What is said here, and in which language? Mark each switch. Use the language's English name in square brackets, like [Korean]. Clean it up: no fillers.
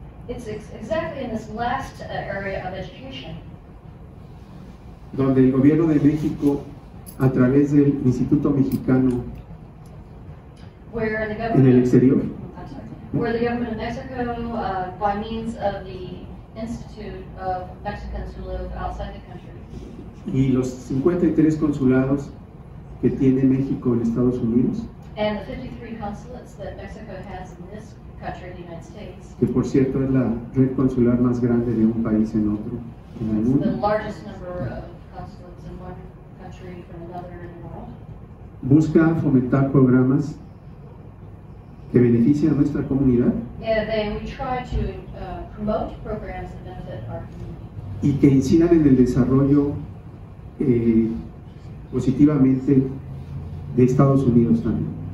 [English] It's exactly in this last area of education. [Spanish] Donde el gobierno de México, a través del Instituto Mexicano en el exterior, [English] where the government of Mexico, by means of the Institute of Mexicans who live outside the country, [Spanish] y los 53 consulados que tiene México en Estados Unidos, [English] and the 53 consulates that Mexico has in this country, the United States, [Spanish] que por cierto es la red consular más grande de un país en otro, en el mundo, [English] the largest number of consulates in one country from another in the world, [Spanish] busca fomentar programas que beneficia a nuestra comunidad. [English] Yeah, then we try to promote programs that benefit our community. [Spanish] Y que incidan en el desarrollo positivamente de Estados Unidos también.